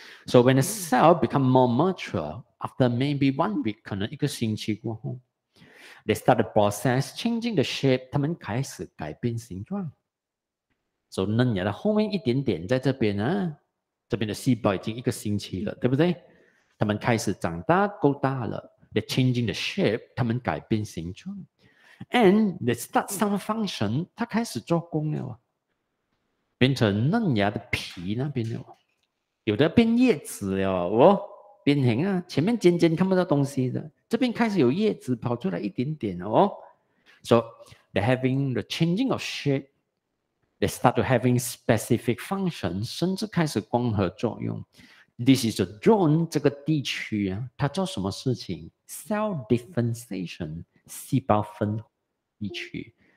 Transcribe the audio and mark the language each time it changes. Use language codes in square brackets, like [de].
[en] So when the cell become more mature, after maybe 1 week, [zh] 可能一个星期过后, [en] they start the process changing the shape, [zh] 它们开始改变形状。 So 嫩芽的后面一点点, 在这边啊, 这边的细胞已经一个星期了，对不对? 它们开始长大，够大了, [en] they're changing the shape, [zh] 它们改变形状。 [en] And they start some function, [zh] 它开始做工了。变成嫩芽的皮那边了，有的变叶子了哦，变形啊，前面尖尖看不到东西的，这边开始有叶子跑出来一点点哦。 [en] So they're having the changing of shape, they start to having specific function, [zh] 甚至开始光合作用。 [en] This is a drone, [zh] 这个地区啊，它做什么事情？ Cell differentiation, 细胞分地区。